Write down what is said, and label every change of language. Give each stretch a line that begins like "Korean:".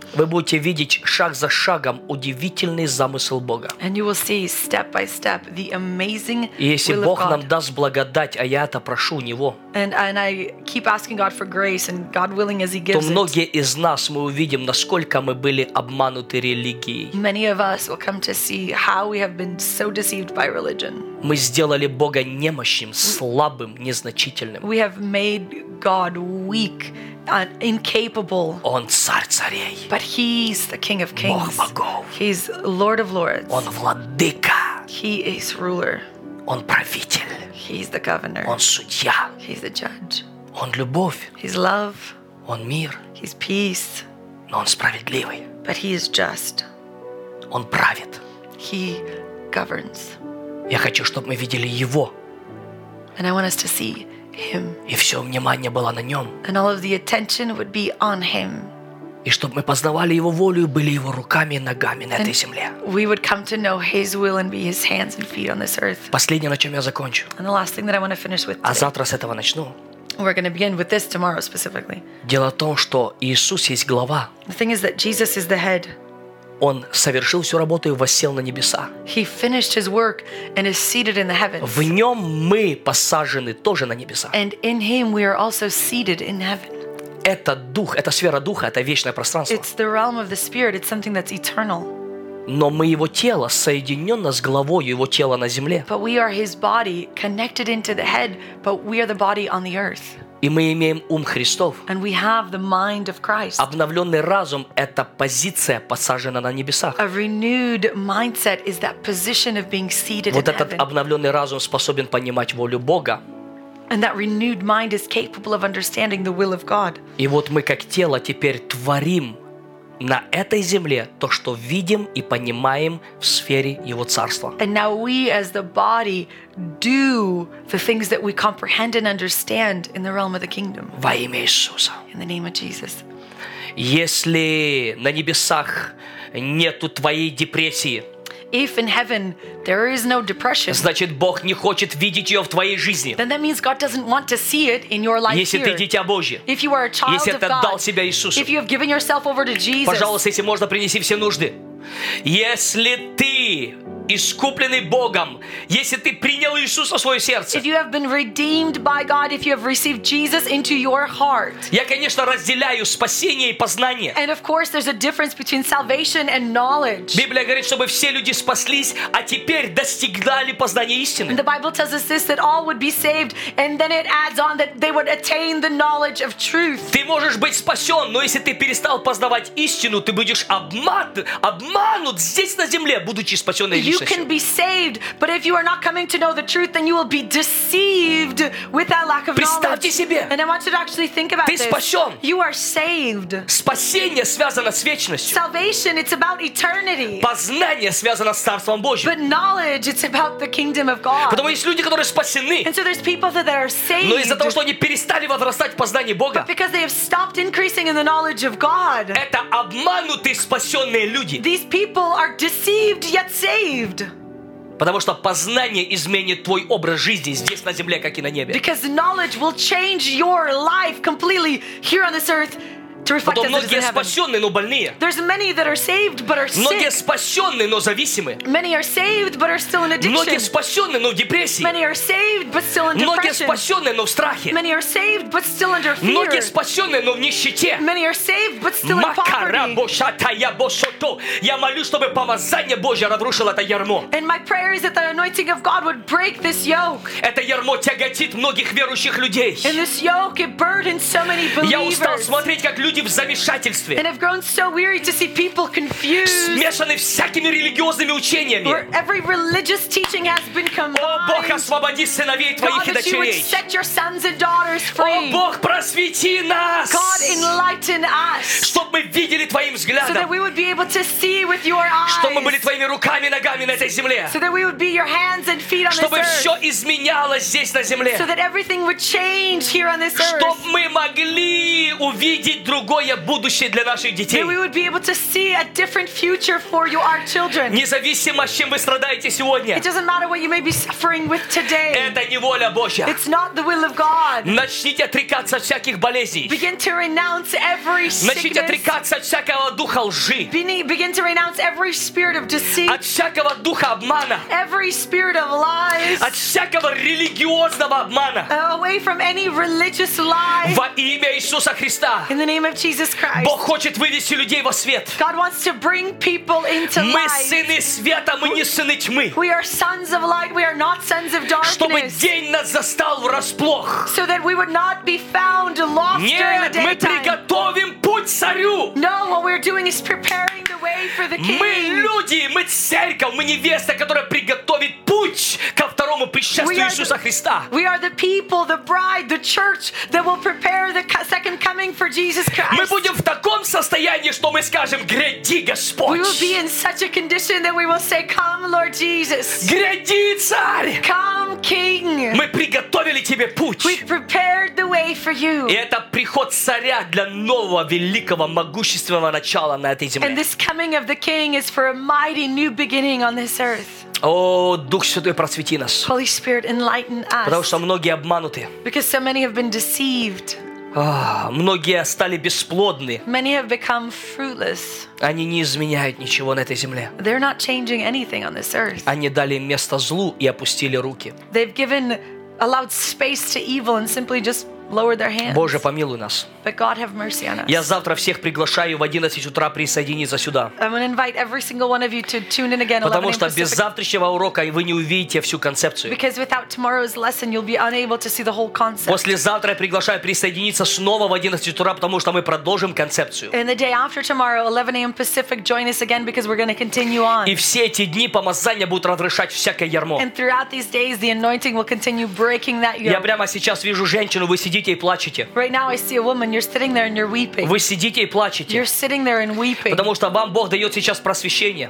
Russian: Вы будете видеть шаг за шагом удивительный замысел Бога.
English: And you will see step by step the amazing will of God.
Russian: Если Бог нам даст благодать, а я это прошу у Него,
English: and I keep asking God for grace and God willing as He gives it,
Russian: то многие из нас мы увидим, насколько мы были обмануты религией.
English: Many of us will come to see how we have been so deceived by religion.
Russian: Мы сделали Бога немощным, слабым, незначительным.
English: We have made God weak, incapable.
Russian: Он царь царей.
English: But He's the King of Kings.
Russian: Бог богов.
English: He's Lord of Lords.
Russian: Он владыка.
English: He is ruler.
Russian: Он правитель.
English: He's the governor.
Russian: Он судья.
English: He's the judge.
Russian: Он любовь.
English: He's love.
Russian: Он мир.
English: He's peace.
Russian: Но он справедливый.
English: But He is just.
Russian: Он правит.
English: He governs.
Russian: Я хочу, чтобы мы видели Его.
English: And I want us to see Him.
Russian: И все внимание было на Нем.
English: And all of the attention would be on Him.
Russian: И чтобы мы познавали Его волю и были Его руками и ногами на этой земле.
English: We would come to know His will and be His hands and feet on this earth.
Russian: Последнее, на чем я закончу.
English: And the last thing that I want to finish with today.
Russian: А завтра с этого начну.
English: We're going to begin with this tomorrow specifically.
Russian: Дело в том, что Иисус есть глава.
English: The thing is that Jesus is the head.
Russian: Он совершил всю работу и воссел на небеса.
English: He finished his work and is seated in the heavens.
Russian: В нем мы посажены тоже на небеса.
English: And in him we are also seated in heaven.
Russian: Это дух, это сфера духа, это вечное пространство.
English: It's the realm of the spirit. It's something that's eternal.
Russian: Но мы его тело, соединенное с головой его тела на земле.
English: But we are his body, connected into the head, but we are the body on the earth.
Russian: И мы имеем ум Христов.
English: And we have the mind of Christ.
Russian: Обновленный разум – это позиция, посаженная на небесах.
English: A renewed mindset is that position of being seated
Russian: вот
English: in heaven.
Russian: Вот этот обновленный разум способен понимать волю Бога.
English: And that renewed mind is capable of understanding the will of God.
Russian: И вот мы как тело теперь творим на этой земле то, что видим и понимаем в сфере Его Царства.
English: And now we as the body do the things that we comprehend and understand in the realm of the kingdom.
Russian: Во имя Иисуса.
English: In the name of Jesus.
Russian: Если на небесах нету твоей депрессии,
English: if in heaven there is no depression,
Russian: значит, Бог не хочет видеть ее в твоей жизни.
English: Then that means God doesn't want to see it in your life.
Russian: Если
English: here,
Russian: ты дитя Божье,
English: if you are a child,
Russian: если ты отдал себя Иисусу,
English: if you have given yourself over to Jesus,
Russian: пожалуйста, если можно, принеси все нужды. Если ты искупленный Богом, если ты принял Иисуса в свое сердце,
English: if you have been redeemed by God, if you have received Jesus into your heart,
Russian: я, конечно, разделяю спасение и познание.
English: And of course, there's a difference between salvation and knowledge.
Russian: Библия говорит, чтобы все люди спаслись, а теперь достигали познания истины.
English: And the Bible tells us this, that all would be saved, and then it adds on that they would attain the knowledge of truth.
Russian: Ты можешь быть спасен, но если ты перестал познавать истину, ты будешь обманут здесь на земле, будучи спасенной.
English: You can be saved, but if you are not coming to know the truth, then you will be deceived with that lack of knowledge.
Russian: Себе,
English: and I want you to actually think about this.
Russian: Спасен.
English: You are saved.
Russian: Спасение связано с вечностью.
English: Salvation, it's about eternity.
Russian: Познание связано с Царством Божьим.
English: But knowledge, it's about the kingdom of God.
Russian: Потому есть люди, которые спасены.
English: And so there's people that are saved.
Russian: Но из-за того, что они перестали возрастать в познании Бога.
English: But because they have stopped increasing in the knowledge of God.
Russian: Это обманутые спасенные люди.
English: These people are deceived yet saved.
Russian: Потому что познание изменит твой образ жизни здесь на земле, как и на небе.
English: Because knowledge will change your life completely here on this earth to reflect
Russian: Потом многие спасенные, но больные.
English: There's many that are saved but are sick.
Russian: Многие спасенные, но зависимы.
English: Many are saved but are still in addiction.
Russian: Многие спасенные, но в депрессии.
English: Many are saved but still in depression.
Russian: Многие спасенные, но в страхе.
English: Many are saved but still under fear.
Russian: Многие спасенные, но в нищете.
English: Many are saved but still in poverty. Макара бошата я бошото.
Russian: Я молюсь, чтобы помазание Божье разрушило это ярмо.
English: And my prayer is that the anointing of God would break this yoke.
Russian: Это ярмо тяготит многих верующих людей.
English: And this yoke it burdens so many believers.
Russian: Я устал смотреть, как люди в замешательстве.
English: And I've grown so weary to see people confused.
Russian: Смешаны всякими религиозными учениями.
English: Where every religious teaching has been combined.
Russian: О Бог, освободи сыновей твоих и дочерей.
English: God, that you would set your sons and daughters free.
Russian: О Бог, просвети нас.
English: God, enlighten us.
Russian: Чтобы мы видели твоим взглядом.
English: So that we would be able to see with your eyes.
Russian: Чтобы мы были твоими руками и ногами на этой земле.
English: So that we would be your hands and feet on this
Russian: Чтобы
English: earth.
Russian: Чтобы все изменялось здесь на земле.
English: So that everything would change here on this earth.
Russian: Чтобы мы могли увидеть другое будущее для наших детей.
English: That we would be able to see a different future for you, our children.
Russian: Независимо, с чем вы страдаете сегодня.
English: It doesn't matter what you may be suffering with today.
Russian: Это не воля Божья.
English: It's not the will of God.
Russian: Начните отрекаться от всяких болезней.
English: Begin to renounce every sickness.
Russian: Начните отрекаться от всякого духа лжи.
English: Begin to renounce every spirit of deceit.
Russian: От всякого духа обмана.
English: Every spirit of lies.
Russian: От всякого религиозного обмана.
English: Away from any religious lies.
Russian: Во имя Иисуса Христа.
English: In the name of Jesus Christ.
Russian: Бог хочет вывести людей во свет.
English: God wants to bring people into light.
Russian: Мы сыны света, мы не сыны тьмы.
English: We are sons of light, we are not sons of darkness.
Russian: Чтобы день нас застал врасплох.
English: So that we would not be found lost during the daytime.
Russian: Мы приготовим путь царю.
English: No, what we're doing is preparing the way for the king.
Russian: Мы люди, мы церковь, мы невеста, которая приготовит путь ко второму пришествию Иисуса Христа.
English: We are the people, the bride, the church that will prepare the second coming for Jesus Christ.
Russian: Мы будем в таком состоянии, что мы скажем: «Гряди, Господь!»
English: We will be in such a condition that we will say, «Come, Lord Jesus!»
Russian: «Гряди, Царь!»
English: «Come, King!»
Russian: Мы приготовили тебе путь.
English: We prepared the way for you.
Russian: И это приход Царя для нового, великого, могущественного начала на этой земле.
English: And this coming of the King is for a mighty new beginning on this earth.
Russian: О, Дух Святой, просвети нас.
English: Holy Spirit, enlighten us.
Russian: Потому что многие обмануты.
English: Because so many have been deceived.
Russian: Многие стали бесплодны.
English: Many have become fruitless.
Russian: Они не изменяют ничего на этой земле.
English: They're not changing anything on this earth.
Russian: Они дали место злу и опустили руки.
English: They've given allowed space to evil and simply just lower their hands.
Russian: Боже, помилуй нас.
English: But God have mercy on us.
Russian: Я завтра всех приглашаю в 11 утра присоединиться сюда.
English: I'm going to invite every single one of you to tune in again.
Russian: Потому что без завтрашнего урока вы не увидите всю концепцию.
English: Because without tomorrow's lesson, you'll be unable to see the whole concept.
Russian: Послезавтра я приглашаю присоединиться снова в 11 утра, потому что мы продолжим концепцию.
English: And the day after tomorrow, 11 a.m. Pacific, join us again because we're going to continue on.
Russian: И все эти дни помазания будут разрешать всякое ярмо.
English: And throughout these days, the anointing will continue breaking that yoke.
Russian: Я прямо сейчас вижу женщину, вы сидите и плачете.
English: Right now I see a woman. You're sitting there and you're weeping.
Russian: Вы сидите и плачете.
English: You're sitting there and weeping.
Russian: Потому что вам Бог дает сейчас просвещение.